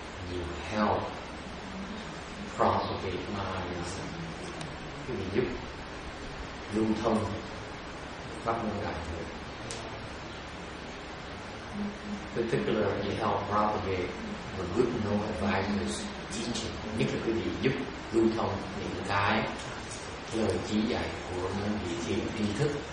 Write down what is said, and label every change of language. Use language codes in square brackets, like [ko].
[en] You help propagate Mahayana. [vi] Quý vị giúp lưu thông pháp môn đại thừa. [en] Particularly, you help propagate the good known advisors teaching. [vi] Nhất là quý vị giúp lưu thông những cái lời chỉ dạy của những vị thiền tri thức.